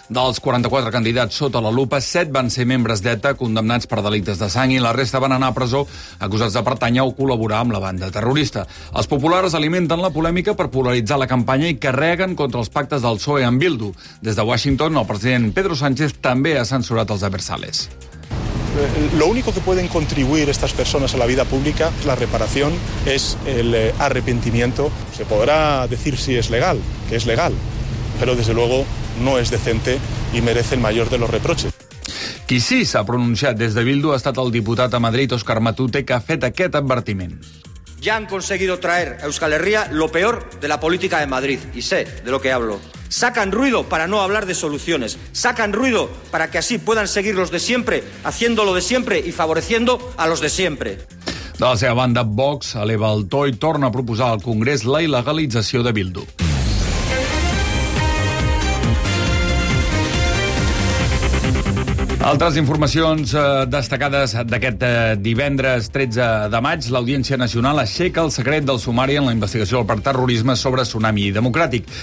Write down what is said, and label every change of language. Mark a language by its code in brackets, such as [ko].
[ca] Dels 44 candidats sota la lupa, 7 van ser membres d'ETA condemnats per delictes de sang i la resta van anar a presó acusats de pertànyer o col·laborar amb la banda terrorista. Els populars alimenten la polèmica per polaritzar la campanya i carreguen contra els pactes del PSOE amb Bildu. Des de Washington, el president Pedro Sánchez també ha censurat els adversaris. [es] Lo único que pueden contribuir estas personas a la vida pública, la reparación, es el arrepentimiento. Se podrá decir si es legal, que es legal, pero desde luego no es decente y merece el mayor de los reproches. [ca] Qui sí s'ha pronunciat des de Bildu ha estat el diputat a Madrid, Òscar Matute, que ha fet aquest advertiment. [es] Ya han conseguido traer a Euskal Herria lo peor de la política de Madrid, y sé de lo que hablo. Sacan ruido para no hablar de soluciones. Sacan ruido para que así puedan seguir los de siempre, haciéndolo de siempre y favoreciendo a los de siempre. [ca] De la seva banda, Vox eleva el to i torna a proposar al Congrés la il·legalització de Bildu. Altres informacions destacades d'aquest divendres 13 de maig, l'Audiència Nacional aixeca el secret del sumari en la investigació per terrorisme sobre Tsunami Democràtic.